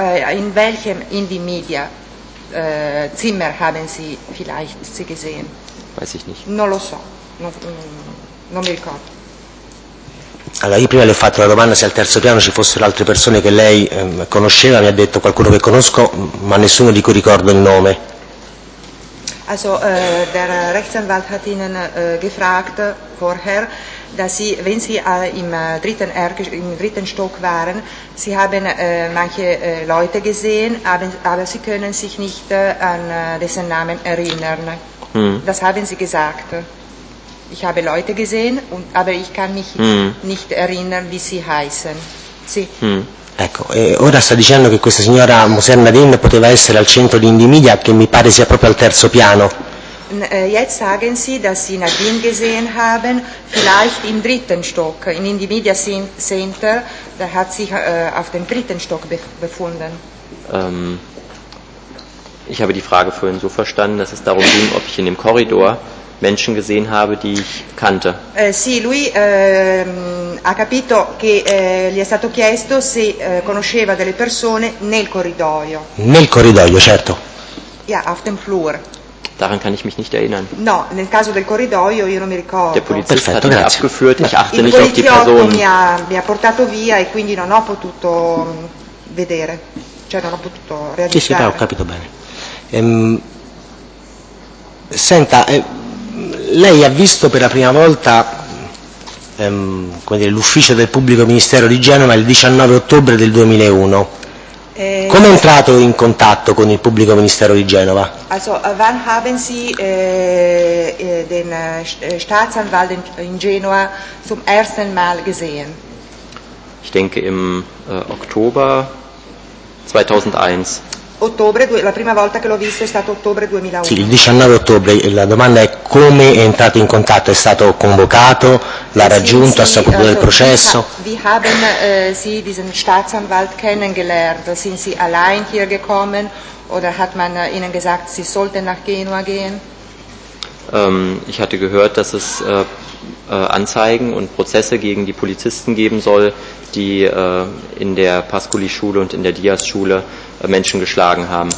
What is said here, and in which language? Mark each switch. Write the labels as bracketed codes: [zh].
[de] In welchem Indie Media Zimmer haben Sie vielleicht sie gesehen? Weiß ich nicht. [it] Non lo so. Non mi ricordo. Allora, io prima le ho fatto la domanda se al terzo piano ci fossero altre persone che lei conosceva, mi ha detto qualcuno che conosco, ma nessuno di cui ricordo il nome. [de] Also, der Rechtsanwalt hat Ihnen gefragt vorher, dass Sie, wenn Sie im dritten Stock waren, Sie haben manche Leute gesehen, aber Sie können sich nicht an dessen Namen erinnern. Hm. Das haben Sie gesagt. Ich habe Leute gesehen, aber ich kann mich nicht erinnern, wie sie heißen. [it] Sì. Ecco, e ora sta dicendo che questa signora Moser Nadine poteva essere al centro di Indie Media, che mi pare sia proprio al terzo piano. [de] Jetzt sagen Sie, dass Sie Nadine gesehen haben, vielleicht im dritten Stock, in Indie Media Center, da hat sich auf dem dritten Stock befunden. Ich habe die Frage vorhin so verstanden, dass es darum ging, ob ich in dem Korridor Menschen gesehen habe, die ich kannte. [it] Sì, lui ha capito che gli è stato chiesto se conosceva delle persone nel corridoio. Nel corridoio, certo. [de] Ja, auf dem Flur. Daran kann ich mich nicht erinnern. [it] No, nel caso del corridoio io non mi ricordo. [de] Der Polizist hat mich abgeführt, ich achte nicht auf die Person. [it] Mi ha portato via e quindi non ho potuto vedere, cioè non ho potuto realizzare. Sì, sì, ho capito bene. Senta, lei ha visto per la prima volta l'ufficio del pubblico ministero di Genova il 19 ottobre del 2001. Come è entrato in contatto con il pubblico ministero di Genova? [de] Also, wann haben Sie den Staatsanwalt in Genua zum ersten Mal gesehen? Ich denke im Oktober 2001. [it] Ottobre, la prima volta che l'ho visto è stato ottobre 2001. Sì, il 19 ottobre, la domanda è come è entrato in contatto, è stato convocato, l'ha raggiunto, sì, ha saputo del processo? [de] Wir haben Sie diesen Staatsanwalt kennengelernt, sind Sie allein hier gekommen oder hat man Ihnen gesagt, Sie sollten nach Genua gehen? Ich hatte gehört, dass es Anzeigen und Prozesse gegen die Polizisten geben soll, die in der Pascoli-Schule und in der Diaz-Schule Menschen geschlagen haben.